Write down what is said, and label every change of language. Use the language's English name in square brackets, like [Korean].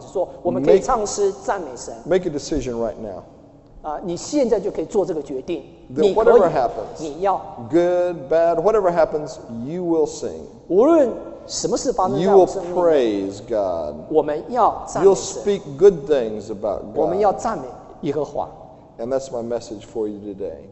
[Chinese] 这也是我们可以做的，我们可以来决定说，我们今天也要这样子做，我们可以唱诗赞美神。Make [English] a decision right now. [Chinese] 你现在就可以做这个决定。 [English] Whatever happens, [Chinese] 你要。 [English] Good, bad, whatever happens, you will sing. [Chinese] 无论什么事发生在我们生命里面, [English] you will praise God. [Chinese] 我们要赞美神。 [English] You'll speak good things about God. [Chinese] 我们要赞美耶和华。 [English] And that's my message for you today.